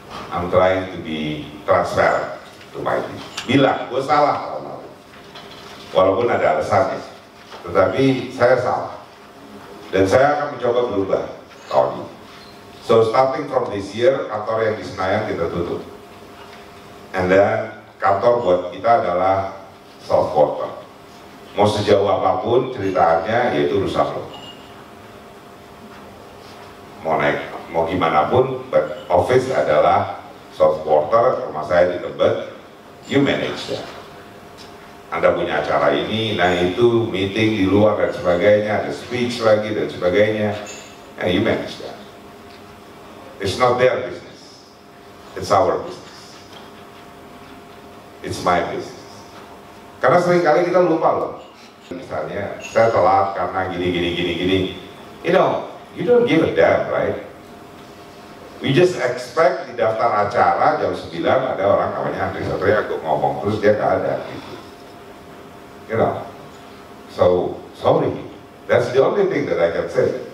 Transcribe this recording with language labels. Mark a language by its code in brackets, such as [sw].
[en] I'm trying to be transparent to my team. [id] Bilang, gue salah. Walaupun ada alasannya. Tetapi saya salah. Dan saya akan mencoba berubah tahun ini. [en] So starting from this year, [id] kantor yang di Senayan kita tutup. [en] And then [id] kantor buat kita adalah soft quarter. Mau sejauh apapun ceritanya, yaitu rusak loh. Mau naik, mau gimana pun, [en] but office [id] adalah soft quarter, rumah saya di Tebet, [en] you manage that. [id] Anda punya acara ini, nah itu, meeting di luar dan sebagainya, ada speech lagi dan sebagainya, [en] and you manage that. It's not their business. It's our business. It's my business. [id] Karena seringkali kita lupa loh. Misalnya, saya telat karena gini. [en] You know, you don't give a damn, right? We just expect [id] di daftar acara jam 9 ada orang namanya Handry Satiago ngomong, terus dia gak ada, gitu. [en] You know, so sorry. That's the only thing that I can say.